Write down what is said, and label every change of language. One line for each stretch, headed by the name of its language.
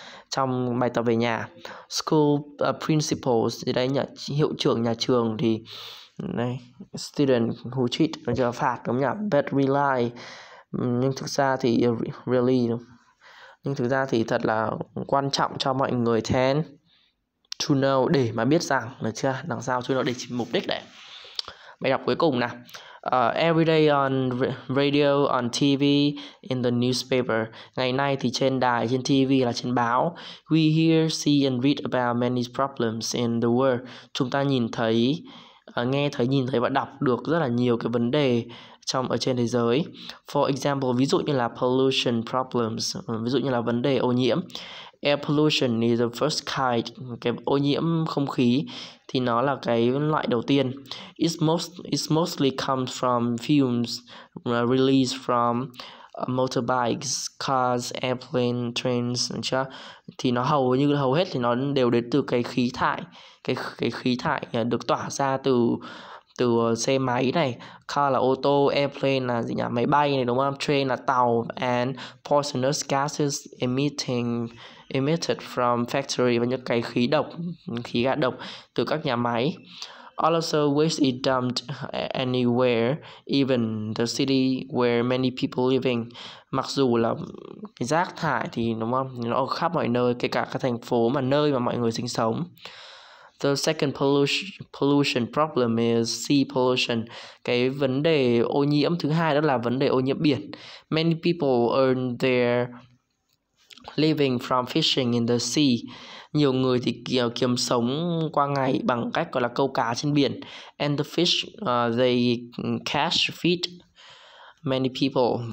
Vietnamese: Trong bài tập về nhà. School principals thì đây nhỉ, hiệu trưởng nhà trường thì này,
English: student who cheat
Vietnamese: được chưa? Phạt, đúng không nhỉ? Bad rely. Nhưng thực ra thì really đúng. Nhưng thực ra thì thật là quan trọng cho mọi người
English: then to know,
Vietnamese: để mà biết rằng, được chưa? Đằng sau
English: to know
Vietnamese: để mục đích đấy. Bài đọc cuối cùng nào.
English: Every day on radio, on TV, in the newspaper.
Vietnamese: Ngày nay thì trên đài, trên TV là trên báo.
English: We hear, see and read about many problems in the world.
Vietnamese: Chúng ta nhìn thấy, nghe thấy, nhìn thấy và đọc được rất là nhiều cái vấn đề trong ở trên thế giới.
English: For example,
Vietnamese: ví dụ như là
English: pollution problems,
Vietnamese: ví dụ như là vấn đề ô nhiễm.
English: Air pollution is the first kind,
Vietnamese: cái ô nhiễm không khí thì nó là cái loại đầu tiên.
English: It mostly comes from fumes released from motorbikes, cars, airplane, trains,
Vietnamese: thì nó hầu hết thì nó đều đến từ cái khí thải được tỏa ra từ xe máy này, car là ô tô, airplane là gì nhỉ, máy bay này, đúng không, train là tàu,
English: and poisonous gases emitted from factory,
Vietnamese: và những cái khí ga độc từ các nhà máy.
English: Also, waste is dumped anywhere, even the city where many people living.
Vietnamese: Mặc dù là cái rác thải thì đúng không, nó ở khắp mọi nơi, kể cả các thành phố mà nơi mà mọi người sinh sống.
English: The second pollution problem is sea pollution.
Vietnamese: Cái vấn đề ô nhiễm thứ hai đó là vấn đề ô nhiễm biển.
English: Many people earn their living from fishing in the sea.
Vietnamese: Nhiều người thì kiếm sống qua ngày bằng cách gọi là câu cá trên biển.
English: And the fish, they catch feed many people.